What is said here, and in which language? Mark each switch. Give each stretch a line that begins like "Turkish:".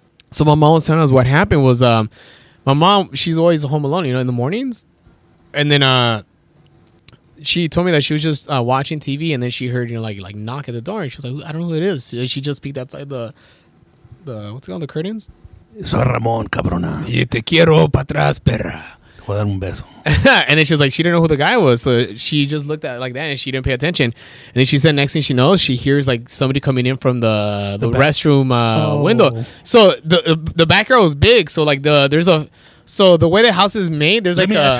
English: So my mom was telling us what happened was, my mom, she's always home alone, you know, in the mornings. And then she told me that she was just watching TV, and then she heard, you know, like knock at the door, and she was like, I don't know who it is. She just peeked outside the what's it called, the curtains?
Spanish: Soy Ramon, cabrona. Y te quiero para atrás, perra.
English: And then she was like, she didn't know who the guy was, so she just looked at it like that, and she didn't pay attention. And then she said, next thing she knows, she hears like somebody coming in from the restroom window. So the background was big, so like the way the house is made, there's like a driveway. Let me ask